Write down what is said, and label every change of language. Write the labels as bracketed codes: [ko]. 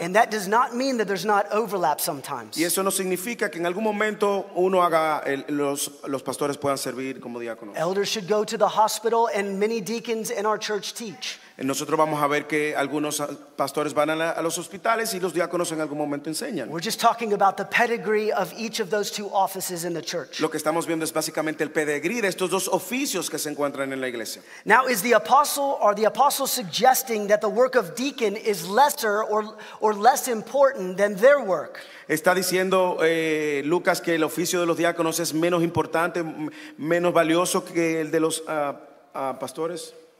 [en] And that does not mean that there's not overlap sometimes. [es] Y eso no significa que en algún momento uno haga los pastores puedan servir como diáconos. [en] Elders should go to the hospital and many deacons in our church teach. [es] Nosotros vamos a ver que algunos pastores van a los hospitales y los diáconos en algún momento enseñan. [en] We're just talking about the pedigree of each of those two offices in the church. [es] Lo que estamos viendo es básicamente el pedigrí de estos dos oficios que se encuentran en la iglesia. [en] Now, is the apostle or the apostles suggesting that the work of deacon is lesser or less important than their work? [es] Está diciendo Lucas que el oficio de los diáconos es menos importante, menos valioso que el de los pastores.